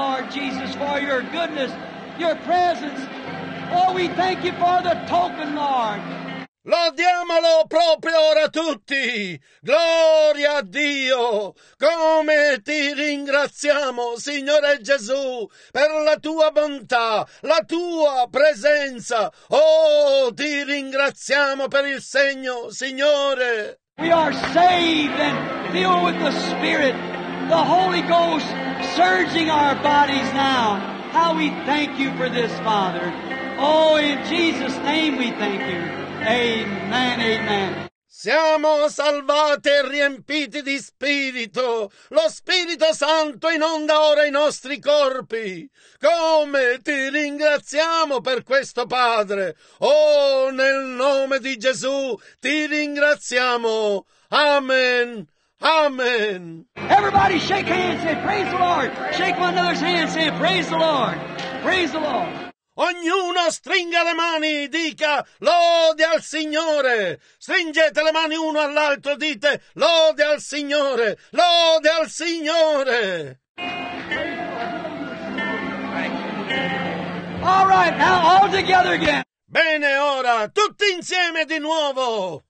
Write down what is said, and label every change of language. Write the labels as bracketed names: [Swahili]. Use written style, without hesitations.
[English] Jesus, for your goodness, your presence. Oh, we thank you for the token, Lord. [Italian] Lodiamolo proprio ora tutti. Gloria a Dio. Come ti ringraziamo, Signore Gesù, per la tua bontà, la tua presenza. Oh, ti ringraziamo per il segno, Signore. [English] We are saved and filled with the Spirit, the Holy Ghost. Surging our bodies now. How we thank you for this, Father. Oh, in Jesus' name we thank you. Amen, amen. [Italian] Siamo salvati e riempiti di Spirito. Lo Spirito Santo inonda ora i nostri corpi. Come ti ringraziamo per questo, Padre. Oh, nel nome di Gesù ti ringraziamo. Amen. Amen. [English] Everybody shake hands and praise the Lord. Shake one another's hands and praise the Lord. Praise the Lord. [Italian] Ognuno stringa le mani, dica lode al Signore. Stringete le mani uno all'altro, dite lode al Signore. Lode al Signore. [English] All right, now all together again. [Italian] Bene, ora tutti insieme di nuovo.